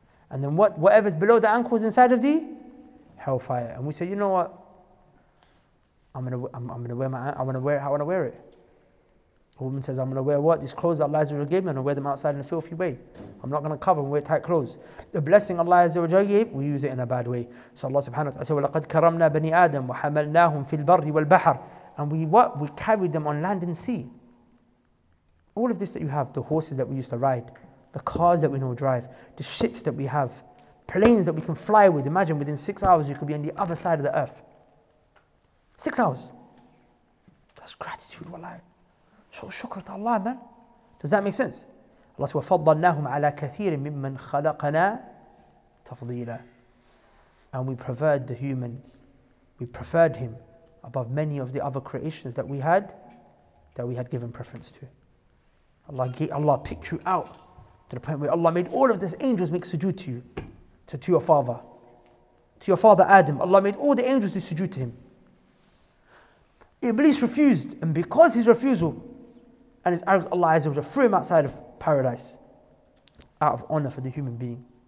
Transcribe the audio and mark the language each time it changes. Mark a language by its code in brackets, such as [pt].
[en] And then whatever is below the ankles inside of the hellfire. And we say, you know what? I'm gonna wear it. A woman says, I'm gonna wear what? These clothes that Allah Azza wa Jalla gave me, I'm gonna wear them outside in a filthy way. I'm not gonna cover and wear tight clothes. The blessing Allah Azza wa Jalla gave, we use it in a bad way. So Allah subhanahu wa ta'ala said, [ar] وَلَقَدْ كَرَمْنَا بَنِي آدَمْ وَحَمَلْنَاهُمْ فِي الْبَرِّ وَالْبَحَرِ. [en] And we what? We carried them on land and sea. All of this that you have, the horses that we used to ride, the cars that we know drive, the ships that we have, planes that we can fly with. Imagine within 6 hours you could be on the other side of the earth. 6 hours. That's gratitude, wallahi. Show shukr to Allah, man. Does that make sense? Allah says, [ar] وَفَضَّلْنَاهُمْ عَلَىٰ كَثِيرٍ مِّمَّنْ خَلَقَنَا تَفْضِيلًا. [en] And we preferred the human. We preferred him above many of the other creations that we had given preference to. Allah picked you out to the point where Allah made all of these angels make sujood to you, to your father. To your father Adam, Allah made all the angels to sujood to him. Iblis refused, and because his refusal and his arrogance, Allah Azza wa Jalla threw him outside of paradise out of honor for the human being.